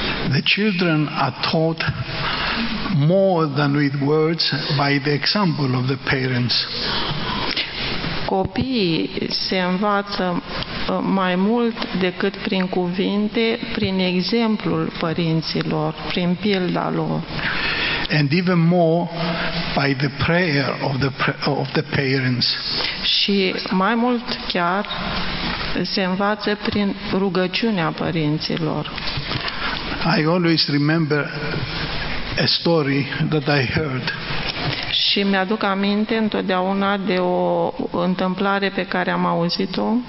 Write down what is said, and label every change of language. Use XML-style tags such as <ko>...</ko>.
<en>The children are taught more than with words by the example of the parents.</en> <ro>Copiii se învață mai mult decât prin cuvinte, prin exemplul părinților, prin pilda lor.</ro> <en>And even more by the prayer of the parents.</en> <ro>Și mai mult chiar se învață prin rugăciunea părinților.</ro> <en>I always remember a story that I heard.</en> <ro>Și mi-aduc aminte întotdeauna de o întâmplare pe care am auzit-o.</ro>